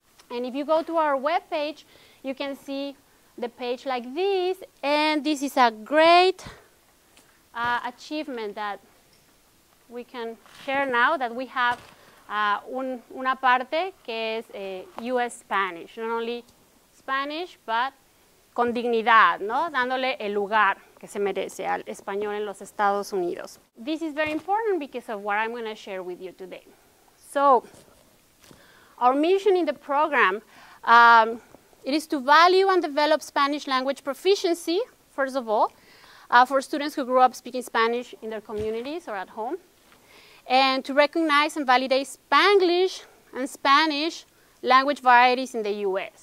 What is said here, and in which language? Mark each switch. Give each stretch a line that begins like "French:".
English: And if you go to our webpage, you can see the page like this, and this is a great achievement that we can share now, that we have
Spanish: una parte que es U.S.
English: Spanish, not only Spanish, but
Spanish: con dignidad, ¿no? Dándole el lugar que se merece al español en los Estados Unidos.
English: This is very important because of what I'm going to share with you today. So, our mission in the program, it is to value and develop Spanish language proficiency, first of all, for students who grew up speaking Spanish in their communities or at home, and to recognize and validate Spanglish and Spanish language varieties in the U.S.